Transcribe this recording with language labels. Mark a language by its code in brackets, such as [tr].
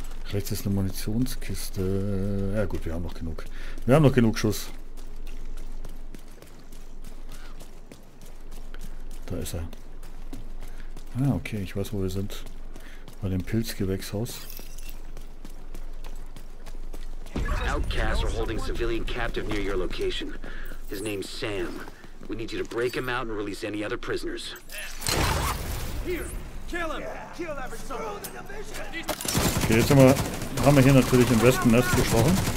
[de] Rechts ist eine Munitionskiste. Ja gut, wir haben noch genug. Wir haben noch genug Schuss. Da ist er. Ah, okay, ich weiß, wo wir sind. Bei dem Pilzgewächshaus. [en] Outcasts are holding civilian captive near your location. His name's Sam. We need you to break him out and release any other prisoners. [de] Okay, jetzt haben wir hier natürlich im Wespennest gesprochen.